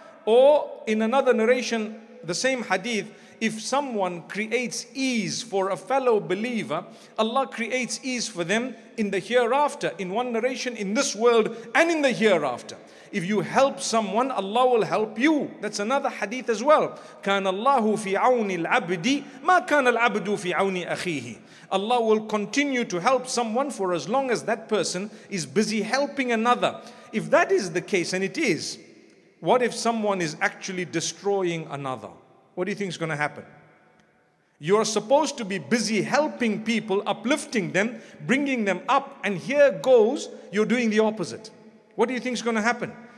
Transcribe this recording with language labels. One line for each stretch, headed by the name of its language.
English: Or in another narration, the same hadith, if someone creates ease for a fellow believer, Allah creates ease for them in the hereafter. In one narration, in this world and in the hereafter. If you help someone, Allah will help you. That's another hadith as well.
Arabic: كان الله في عون العبد ما كان العبد في عون أخيه.
English: Allah will continue to help someone for as long as that person is busy helping another. If that is the case, and it is, what if someone is actually destroying another? What do you think is going to happen? You are supposed to be busy helping people, uplifting them, bringing them up, and here goes, you're doing the opposite. What do you think is going to happen?